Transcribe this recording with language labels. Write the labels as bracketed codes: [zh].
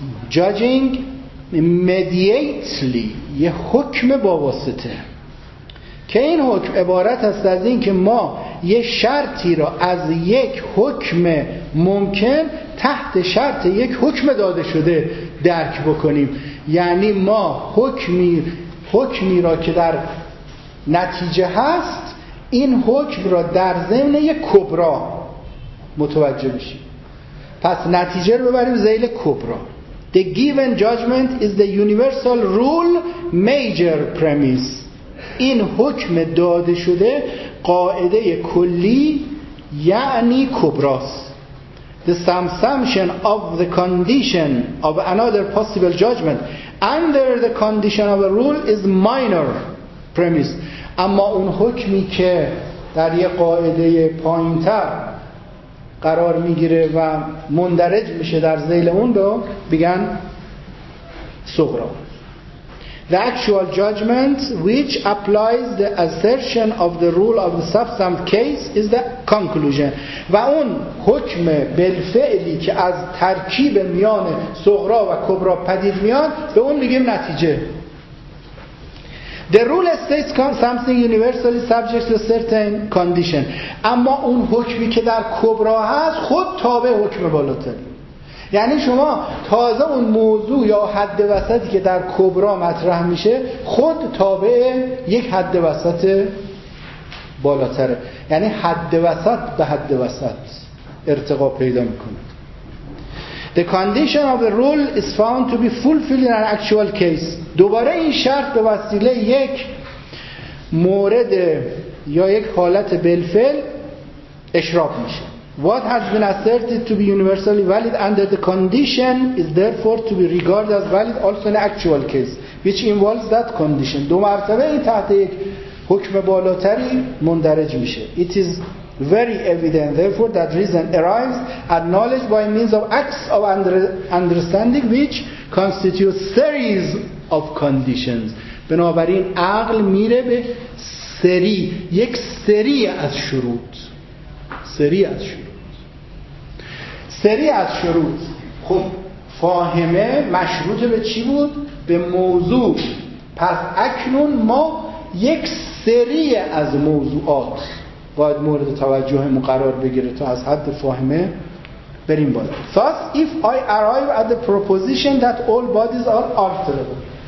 [en] judging mediately [fa] یه حکم با واسطه، که این حکم عبارت است از این که ما یه شرطی را از یک حکم ممکن تحت شرط یک حکم داده شده درک بکنیم. یعنی ما حکمی را که در نتیجه هست، این حکم را در ضمن یک کبرا متوجه میشیم. پس نتیجه رو ببریم ذیل کبرا. [en] The given judgment is the universal rule major premise. [fa] این حکم داده شده قاعده کلی یعنی کبراست. [en] The subsumption of the condition of another possible judgment under the condition of a rule is minor premise. [fa] اما اون حکمی که در یه قاعده پایین‌تر قرار میگیره و مندرج میشه در ذیل اون رو بگن صغرا. [en] The actual judgment which applies the assertion of the rule of the subsumed case is the conclusion. [fa] و اون حکم بالفعلی که از ترکیب میان صغرا و کبرا پدید میاد به اون میگیم نتیجه. [en] The rule states something universally subject to certain condition. [fa] اما اون حکمی که در کبرا هست خود تابع حکم بالاتر، یعنی شما تازه اون موضوع یا حد وسطی که در کبرا مطرح میشه خود تابع یک حد وسط بالاتره، یعنی حد وسط به حد وسط ارتقا پیدا میکنه. [en] The condition of the rule is found to be fulfilled in an actual case. [fa] دوباره این شرط به وسیله یک مورد یا یک حالت بالفعل اشراف میشه. [en] What has been asserted to be universally valid under the condition is therefore to be regarded as valid also in actual case which involves that condition. [fa] دو مرتبه این تحت یک حکم بالاتری مندرج میشه. [en] It is very evident therefore that reason arrives at knowledge by means of acts of understanding which constitute series of conditions. [fa] بنابراین عقل میره به سری، یک سری از شروط، سری از شروط. خب فاهمه مشروط به چی بود؟ به موضوع. پس اکنون ما یک سری از موضوعات باید مورد توجهمون قرار بگیره تا از حد فاهمه بریم بالا. [en] Thus if I arrive at the proposition that all bodies are alterable.